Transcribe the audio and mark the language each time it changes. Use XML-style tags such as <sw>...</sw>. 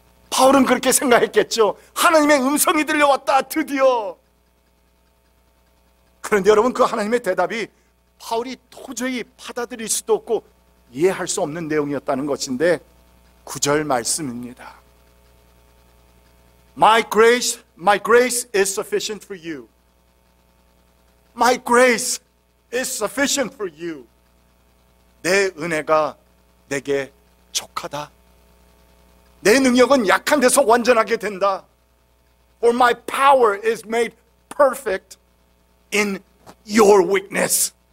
<ko>바울은 그렇게 생각했겠죠. 하나님의 음성이 들려왔다, 드디어. 그런데 여러분, 그 하나님의 대답이 바울이 도저히 받아들일 수도 없고 이해할 수 없는 내용이었다는 것인데, 9절 말씀입니다.</ko> <en>My grace is sufficient for you. My grace is sufficient for you.</en> <ko>내 은혜가 내게 족하다. 내 능력은 약한 데서 완전하게 된다.</ko> <en>For my power is made perfect in your weakness.</en>